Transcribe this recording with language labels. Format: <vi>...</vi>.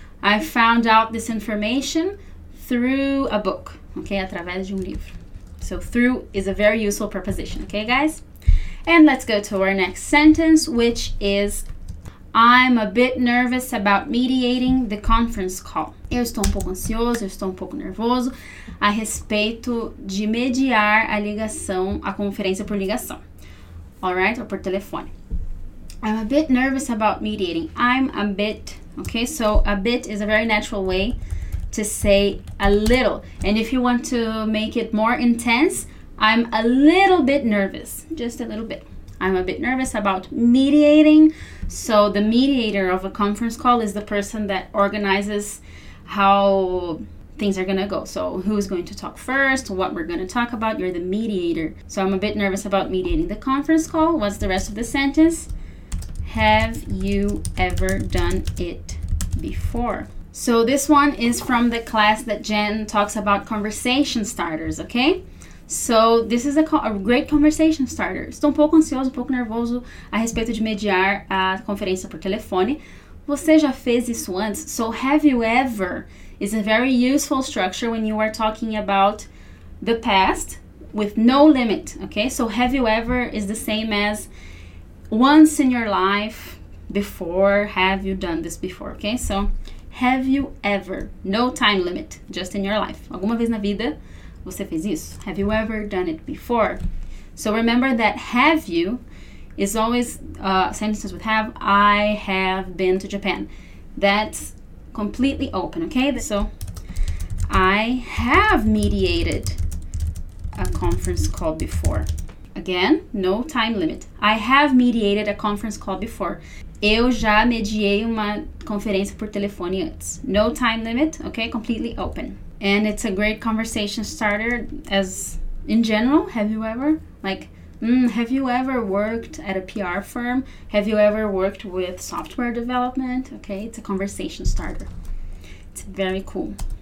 <en>I found out this information through a book, okay?</en> <pt>Através de livro.</pt> <en>So through is a very useful preposition, okay, guys? And let's go to our next sentence, which is, I'm a bit nervous about mediating the conference call.</en> <pt>Eu estou um pouco ansioso, eu estou um pouco nervoso a respeito de mediar a ligação, a conferência por ligação.</pt> <en>All right, or</en> <pt>por telefone.</pt> <en>I'm a bit nervous about mediating. I'm a bit, okay? So a bit is a very natural way to say a little. And if you want to make it more intense, I'm a little bit nervous, just a little bit. I'm a bit nervous about mediating. So the mediator of a conference call is the person that organizes how things are gonna go. So who's going to talk first, what we're gonna talk about, you're the mediator. So I'm a bit nervous about mediating the conference call. What's the rest of the sentence? Have you ever done it before? So this one is from the class that Jen talks about conversation starters, okay? So this is a great conversation starter.</en> <pt>Estou um pouco ansioso, um pouco nervoso a respeito de mediar a conferência por telefone. Você já fez isso antes?</pt> <en>So have you ever is a very useful structure when you are talking about the past with no limit, okay? So have you ever is the same as once in your life, before, have you done this before, okay? So have you ever, no time limit, just in your life.</en> <pt>Alguma vez na vida você fez isso?</pt> <en>Have you ever done it before? So remember that have you is always sentences with have. I have been to Japan. That's completely open, okay? So I have mediated a conference call before. Again, no time limit. I have mediated a conference call before.</en> <pt>Eu já mediei uma conferência por telefone antes.</pt> <en>No time limit, okay? Completely open. And it's a great conversation starter as in general. Have you ever? Like, have you ever worked at a PR firm? Have you ever worked with software development? Okay, it's a conversation starter. It's very cool.</en>